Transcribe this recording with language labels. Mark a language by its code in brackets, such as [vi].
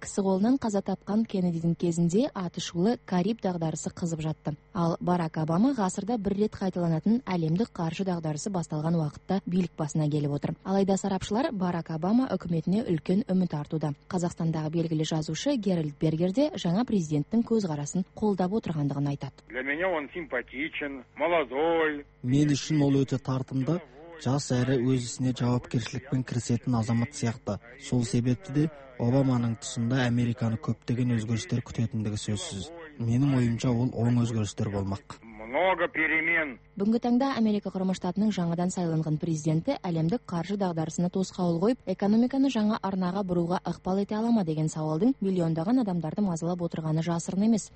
[kk] Кісі қолынан қаза тапқан Кеннедидің кезінде атышулы Кариб дағдарысы қызып жатты. Ал Барак Обама ғасырда бір рет қайталанатын әлемдік қаржы дағдарысы басталған уақытта билік басына келіп отыр. Алайда сарапшылар Барак Обама үкіметіне үлкен үміт артуда. Қазақстандағы белгілі жазушы Геральд Бергер де жаңа президенттің көзқарасын қолдап отырғандығын айтады. [ru] Для меня он симпатичен, молодой. [kk] Мен үшін ол өте тартымды, жас әрі өз ісіне жауап кершілікпен кірісетін азамат сияқты. Сол себепті де Обаманың тұсында Американы көптеген өзгерістер күтетіндігі сөзсіз. Менің ойымша ол оң өзгерістер болмақ. [ru] Много перемен. [kk] Бүгінгі таңда Америка Құрама Штатының жаңадан сайланған президенті әлемдік қаржы дағдарысына тосқауыл қойып, экономиканы жаңа арнаға бұруға ықпал ете ала ма деген сауалдың миллиондаған адамдарды мазалап отырғаны жасырын емес.